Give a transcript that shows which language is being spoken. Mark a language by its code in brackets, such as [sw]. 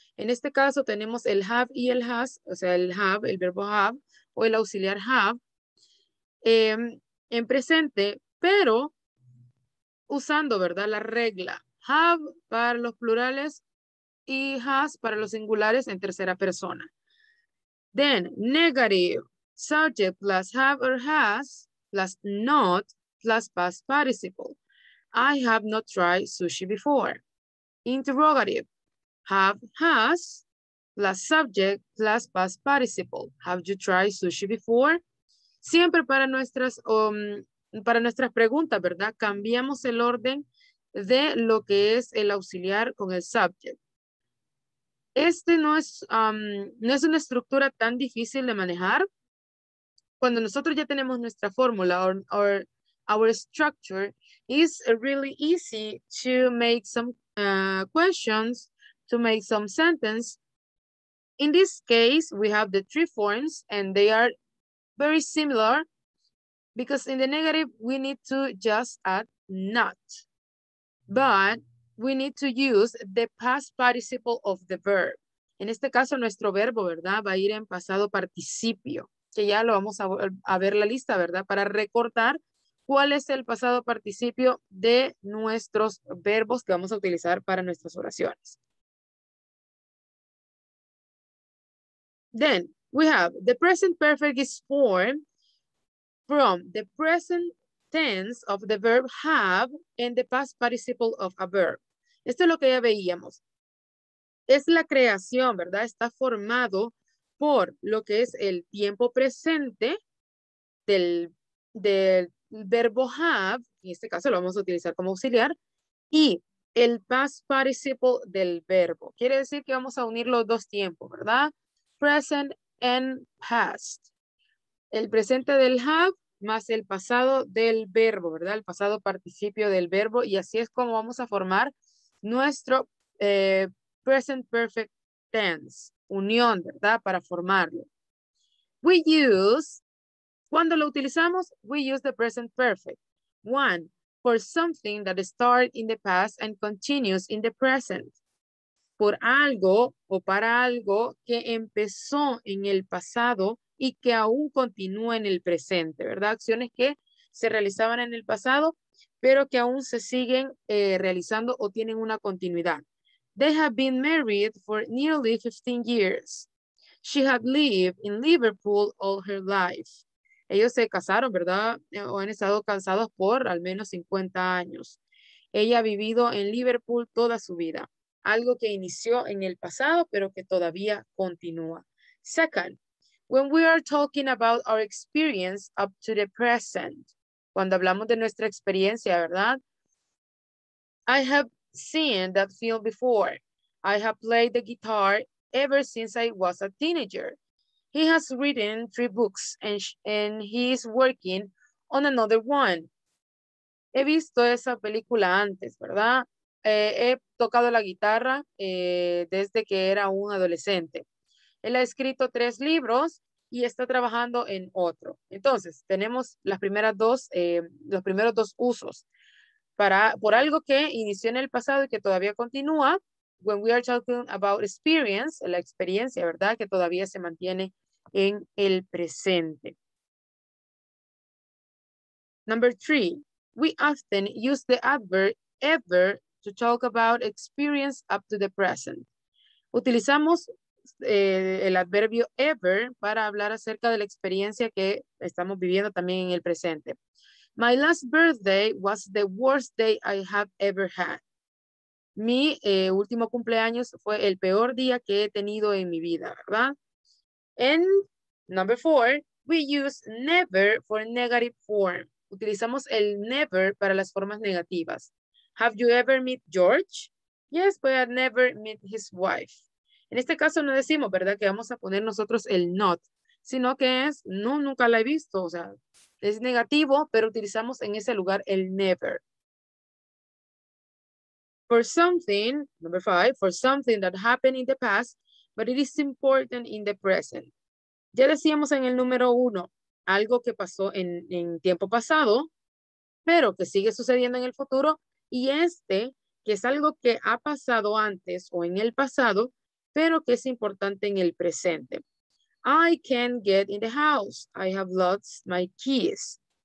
[es] En este caso tenemos el have y el has, o sea, el have, el verbo have, o el auxiliar have, en presente, pero usando, ¿verdad? La regla have para los plurales y has para los singulares en tercera persona. [en] Then, negative. Subject plus have or has plus not plus past participle. I have not tried sushi before. Interrogative. Have, has plus subject plus past participle. Have you tried sushi before? [es] Siempre para nuestras preguntas, ¿verdad? Cambiamos el orden de lo que es el auxiliar con el subject. Este no es una estructura tan difícil de manejar. Cuando nosotros ya tenemos nuestra fórmula [en] our structure, it's really easy to make some questions, to make some sentence. In this case, we have the three forms and they are very similar because in the negative, we need to just add not, but we need to use the past participle of the verb. [es] En este caso, nuestro verbo, ¿verdad? Va a ir en pasado participio. Que ya lo vamos a ver la lista, ¿verdad? Para recortar cuál es el pasado participio de nuestros verbos que vamos a utilizar para nuestras oraciones. [en] Then, we have the present perfect is formed from the present tense of the verb have and the past participle of a verb. [es] Esto es lo que ya veíamos. Es la creación, ¿verdad? Está formado por lo que es el tiempo presente del verbo have, en este caso lo vamos a utilizar como auxiliar, y el past participle del verbo. Quiere decir que vamos a unir los dos tiempos, ¿verdad? [en] Present and past. [es] El presente del have más el pasado del verbo, ¿verdad? El pasado participio del verbo, y así es como vamos a formar nuestro present perfect tense, unión, ¿verdad? Para formarlo. [en] We use, [es] ¿cuándo lo utilizamos? [en] We use the present perfect. One, for something that started in the past and continues in the present. [es] Por algo o para algo que empezó en el pasado y que aún continúa en el presente, ¿verdad? Acciones que se realizaban en el pasado, pero que aún se siguen realizando o tienen una continuidad. [en] They have been married for nearly 15 years. She had lived in Liverpool all her life. [es] Ellos se casaron, ¿verdad? O han estado casados por al menos 50 años. Ella ha vivido en Liverpool toda su vida. Algo que inició en el pasado, pero que todavía continúa. [en] Second, when we are talking about our experience up to the present. [es] Cuando hablamos de nuestra experiencia, ¿verdad? [en] I have seen that film before. I have played the guitar ever since I was a teenager. He has written 3 books and he is working on another one. [es] He visto esa película antes, ¿verdad? He tocado la guitarra desde que era un adolescente. Él ha escrito 3 libros y está trabajando en otro. Entonces, tenemos las primeras dos, los primeros dos usos. Para, por algo que inició en el pasado y que todavía continúa, [en] when we are talking about experience, [es] la experiencia, ¿verdad? Que todavía se mantiene en el presente. [en] Number 3, we often use the adverb ever to talk about experience up to the present. [es] Utilizamos el adverbio ever para hablar acerca de la experiencia que estamos viviendo también en el presente. [en] My last birthday was the worst day I have ever had. [es] Mi último cumpleaños fue el peor día que he tenido en mi vida, ¿verdad? [en] And number 4, we use never for negative form. [es] Utilizamos el never para las formas negativas. [en] Have you ever met George? Yes, but I never met his wife. [es] En este caso no decimos, ¿verdad? Que vamos a poner nosotros el not, sino que es no, nunca la he visto, o sea, es negativo, pero utilizamos en ese lugar el never. [en] For something, number 5, for something that happened in the past, but it is important in the present. [es] Ya decíamos en el número 1, algo que pasó en tiempo pasado, pero que sigue sucediendo en el futuro, y este, que es algo que ha pasado antes o en el pasado, pero que es importante en el presente. [en] I can't get in the house. I have lost my keys.